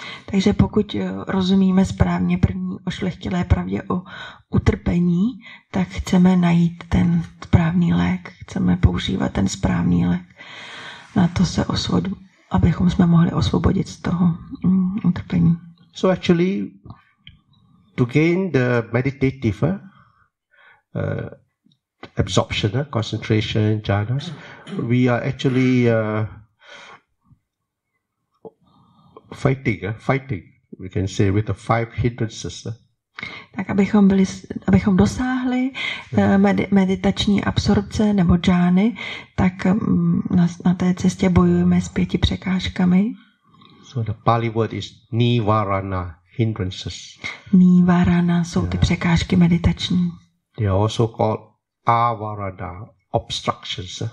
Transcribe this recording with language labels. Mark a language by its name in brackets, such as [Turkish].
[Czech] Takže pokud rozumíme správně první ošlechtilé pravdě o utrpení, tak chceme najít ten správný lék, chceme používat ten správný lék na to se abychom jsme mohli osvobodit z toho utrpení. [English] So actually to gain the meditative absorption, concentration, jhanas, we are actually fighting, we can say with the five hindrances. [Czech] Tak abychom dosáhli meditační absorpce nebo džány, tak na té cestě bojujeme s pěti překážkami. [English] So the Pali word is nivarana hindrances. [Czech] Nivarana jsou ty překážky meditační. [English] They are also called avarana obstructions.